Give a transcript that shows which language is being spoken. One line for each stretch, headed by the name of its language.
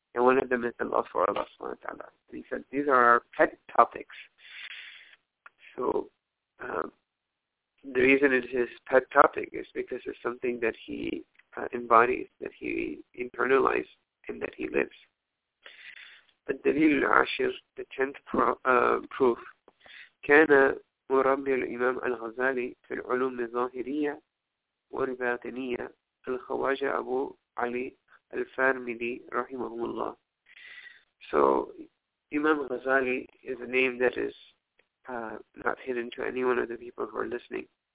English: And one of them is the love for Allah subhanahu wa ta'ala. And he said, these are our pet topics. So, the reason it is his pet topic is because it's something that he embodies, that he internalized, and that he lives. But Dalil al-Ashir, the 10th proof,
Arabic: كَانَ مُرَبِّي الْإِمَامِ الْغَزَالِي فِي الْعُلُومِ الظَّاهِرِيَّةِ وَالْبَاطِنِيَّةِ الْخَوَاجَ أَبُو عَلِي الْفَارْمِدِي رَحِمَهُمُ اللَّهِ.
English: So, Imam Ghazali is a name that is not hidden to any one of the people who are listening.